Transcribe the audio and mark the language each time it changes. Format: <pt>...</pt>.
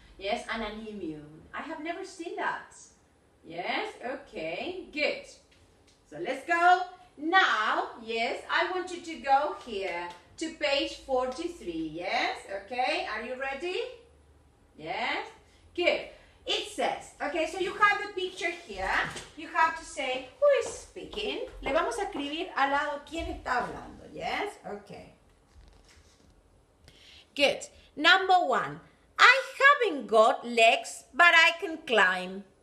<en>Yes, and an emu. I have never seen that. Yes, okay, good. So let's go. Now, yes, I want you to go here to page 43, yes? Okay, are you ready? Yes, good. It says, okay, so you have the picture here. You have to say, who is speaking?</en> <es>Le vamos a escribir al lado quién está hablando, yes?</es> <en>Okay. Good. Number one. I haven't got legs, but I can climb.</en>